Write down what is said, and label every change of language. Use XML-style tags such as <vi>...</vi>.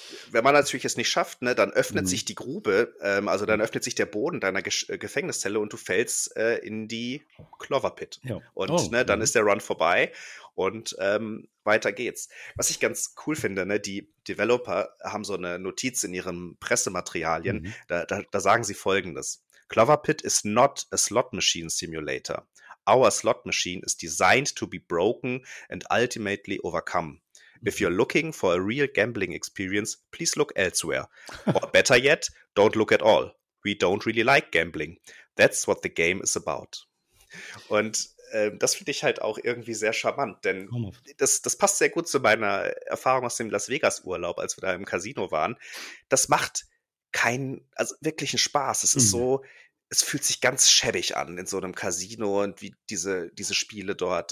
<de>Wenn man natürlich es nicht schafft, ne, dann öffnet sich die Grube, also dann öffnet sich der Boden deiner Gefängniszelle und du fällst in die Clover Pit. Ja. Und ne, dann ist der Run vorbei und weiter geht's. Was ich ganz cool finde, ne, die Developer haben so eine Notiz in ihren Pressematerialien, da sagen sie Folgendes.</de> <en>Clover Pit is not a slot machine simulator. Our slot machine is designed to be broken and ultimately overcome. If you're looking for a real gambling experience, please look elsewhere. Or better yet, don't look at all. We don't really like gambling. That's what the game is about.</en> <de>Und das finde ich halt auch irgendwie sehr charmant, denn das passt sehr gut zu meiner Erfahrung aus dem Las Vegas Urlaub, als wir da im Casino waren. Das macht keinen, also wirklichen Spaß. Es ist so, es fühlt sich ganz schäbig an in so einem Casino und wie diese Spiele dort.</de>